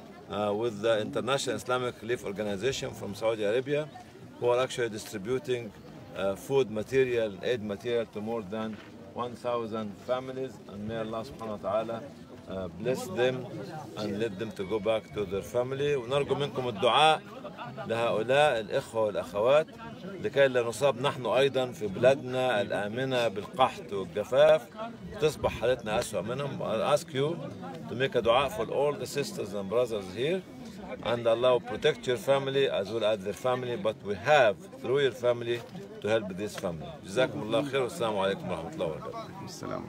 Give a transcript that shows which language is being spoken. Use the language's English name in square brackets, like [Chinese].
[English] with the International Islamic Relief Organization from Saudi Arabia, who are actually distributing food material, aid material to more than 1,000 families, and may Allah subhanahu wa ta'ala bless them and lead them to go back to their family. [Arabic] ونرجو منكم الدعاء لهؤلاء الإخوة والأخوات لكي لا نصاب نحن أيضا في بلادنا الآمنة بالقحط والجفاف تصبح حالتنا أسوأ منهم. [English] I'll ask you to make a dua for all the sisters and brothers here, and Allah will protect your family as well as their family, but we have through your family to help this family. [Arabic] جزاكم الله خير والسلام عليكم ورحمة الله وبركاته.